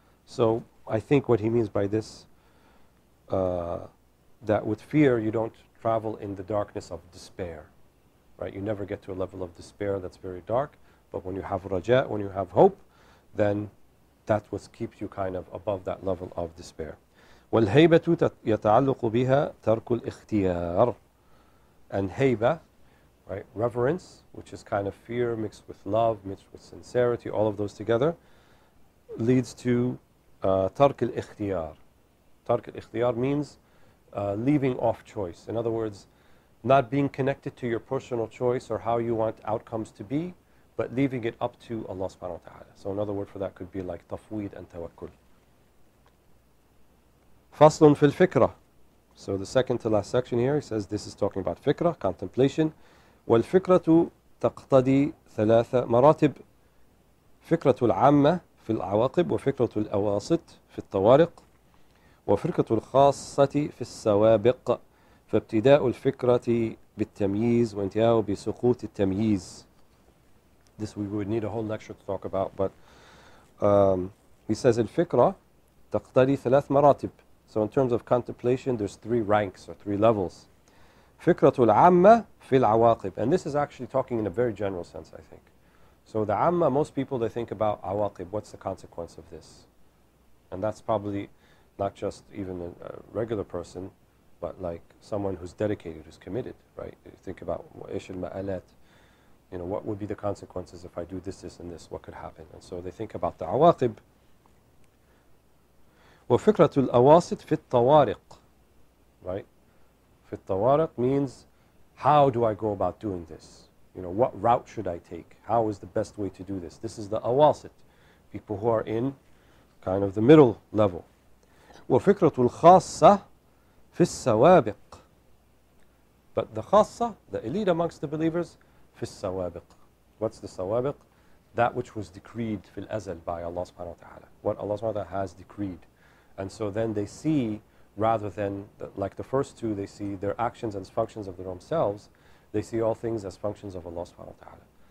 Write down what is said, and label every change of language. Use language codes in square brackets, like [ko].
[en] So I think what he means by this, that with fear you don't travel in the darkness of despair, right? You never get to a level of despair that's very dark, but when you have raja, when you have hope, then that what keeps you kind of above that level of despair. [ar] والهيبة يتعلق بها ترك الاختيار. [en] And heiba, right, reverence, which is kind of fear mixed with love, mixed with sincerity, all of those together, leads to [ar] ترك الاختيار. ترك الاختيار [en] means leaving off choice. In other words, not being connected to your personal choice or how you want outcomes to be, but leaving it up to Allah subhanahu wa ta'ala. So another word for that could be like tafweed and tawakkul. [ar] فصل في الفكرة. [en] So the second to last section here, he says this is talking about فكرة, contemplation. [ar] والفكرة تقتضي ثلاثة مراتب. فكرة العامة في العواقب وفكرة الأواسط في الطوارق وفكرة الخاصة في السوابق. فابتداء الفكرة بالتمييز وانتهاء بسقوط التمييز. [en] This we would need a whole lecture to talk about, but he says [ar] الفكرة تقتضي ثلاث مراتب. [en] So in terms of contemplation, there's three ranks or three levels. [ar] فِكْرَةُ الْعَمَّ فِي الْعَوَاقِبِ. [en] And this is actually talking in a very general sense, I think. So the عَمَّ, most people, they think about عَوَاقِبِ, what's the consequence of this? And that's probably not just even a regular person, but like someone who's dedicated, who's committed, right? You think about [ar] إِشِ الْمَأَلَاتِ, [en] you know, what would be the consequences if I do this, this, and this, what could happen? And so they think about the عَوَاقِبِ. [ar] وفكرة الأواسط في الطوارق. [en] Right? [ar] في الطوارق [en] means how do I go about doing this? You know, what route should I take? How is the best way to do this? This is the أواسط, people who are in kind of the middle level. [ar] وفكرة الخاصة في السوابق. [en] But the خاصة, the elite amongst the believers, [ar] في السوابق. [en] What's the سوابق? That which was decreed [ar] في الأزل [en] by Allah subhanahu wa ta'ala. What Allah subhanahu wa ta'ala has decreed. And so then they see, rather than like the first two, they see their actions as functions of their own selves, they see all things as functions of Allah subhanahu wa ta'ala.